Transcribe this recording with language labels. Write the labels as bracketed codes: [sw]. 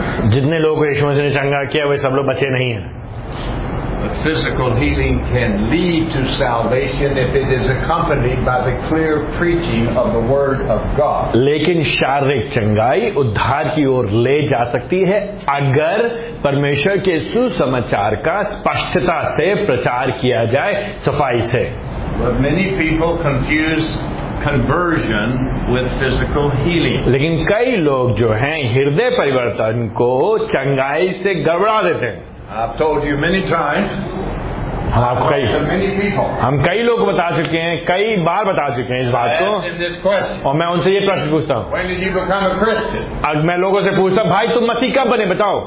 [hi] जितने लोग यीशु मसीह ने चंगा किया वे सब लोग बचे नहीं है. [en] Physical healing can lead to salvation if it is accompanied by the clear preaching of the word of God. [hi] लेकिन शारीरिक चंगाई उद्धार की ओर ले जा सकती है अगर परमेश्वर के सुसमाचार का स्पष्टता से प्रचार किया जाए सफाई से. [en] But many people confuse conversion with physical healing. [hi] लेकिन कई लोग जो हैं हृदय परिवर्तन को चंगाई से गड़बड़ा देते हैं. [en] I've told you many times. [hi] हम आपको कई हम कई लोग बता चुके हैं, कई बार बता चुके हैं इस बात को, और मैं उनसे ये प्रश्न पूछता हूँ, अब मैं लोगों से पूछता हूँ, भाई तुम मसीह कब बने बताओ?